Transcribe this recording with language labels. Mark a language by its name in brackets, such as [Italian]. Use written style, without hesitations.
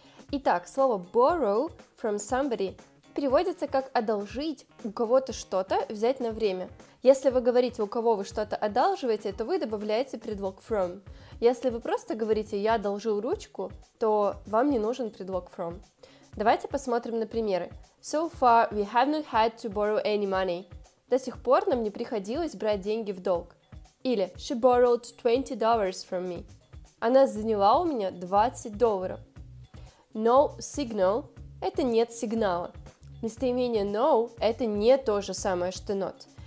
[Russian] Итак, слово [English] borrow from somebody [Russian] переводится как одолжить у кого-то что-то, взять на время. Если вы говорите, у кого вы что-то одалживаете, то вы добавляете предлог from. Если вы просто говорите, я одолжил ручку, то вам не нужен предлог from. Давайте посмотрим на примеры. [English] So far we have not had to borrow any money. [Russian] До сих пор нам не приходилось брать деньги в долг. Или [English] she borrowed $20 from me. [Russian] Она заняла у меня $20. [English] No signal [Russian] – это нет сигнала. Местоимение no – это не то же самое, что not.